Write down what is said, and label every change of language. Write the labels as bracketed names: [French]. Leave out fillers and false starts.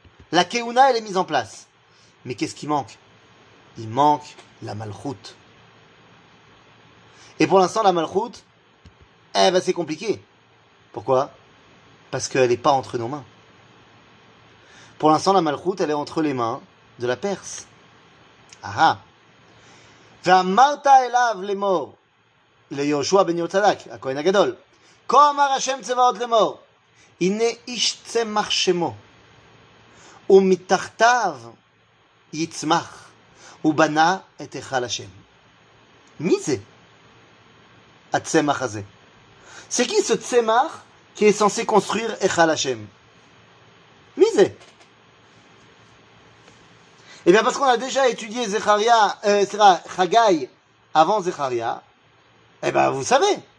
[French] La Keuna, elle est mise en place. Mais qu'est-ce qui manque? Il manque la Malchut. Et pour l'instant, la Malchut, eh ben, c'est compliqué. Pourquoi? Parce qu'elle n'est pas entre nos mains. Pour l'instant, la Malchut, elle est entre les mains de la Perse. [Hebrew] Ah ah. Ve'amarta elav lemor. ליהושע בן יהוצדק, הכהן הגדול. כה אמר השם צבאות לאמור, הנה איש צמח שמו, ומתחתיו יצמח, ובנה את היכל השם. מי זה? הצמח הזה. [French] C'est qui ce צמח qui est censé construire [Hebrew] היכל השם? מי זה? [French] Et bien parce qu'on a déjà étudié Zecharia, Haggai avant Zecharia, eh bien, vous savez.